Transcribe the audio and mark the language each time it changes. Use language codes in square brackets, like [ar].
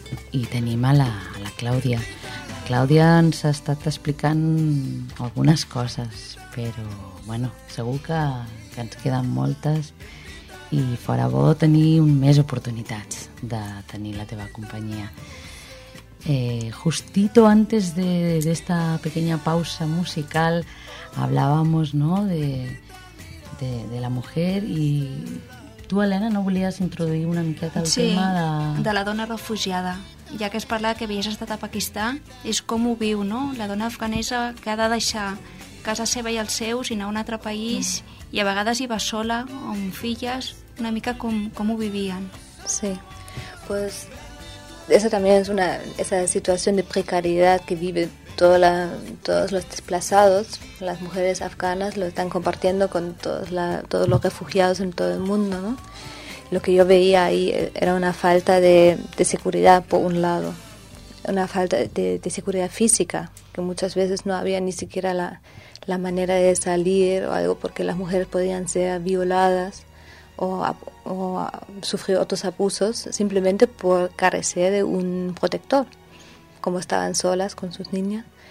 [ca] I tenim a la Clàudia. La Clàudia ens ha estat explicant algunes coses, però bueno, segur que ens queden moltes i fora bo tenir més oportunitats de tenir la teva companyia. [es] Justito antes de esta pequeña pausa musical hablábamos, ¿no?, de la mujer, y tú, Helena, [ca] no volies introduir una miqueta el tema de la dona refugiada, ja que es parla que havies estat a Pakistan, és com ho viu, no?, la dona afganesa que ha de deixar casa seva i els seus i anar a un altre país, i a vegades hi va sola o amb filles, una mica com ho vivien. [es] Sí, pues esa también es una, esa situación de precariedad que viven todos los desplazados. Las mujeres afganas lo están compartiendo con todos los refugiados en todo el mundo, ¿no? Lo que yo veía ahí era una falta de seguridad, por un lado, una falta de seguridad física, que muchas veces no había ni siquiera la manera de salir o algo, porque las mujeres podían ser violadas o sufrir otros abusos simplemente por carecer de un protector, como estaban solas con sus niñas.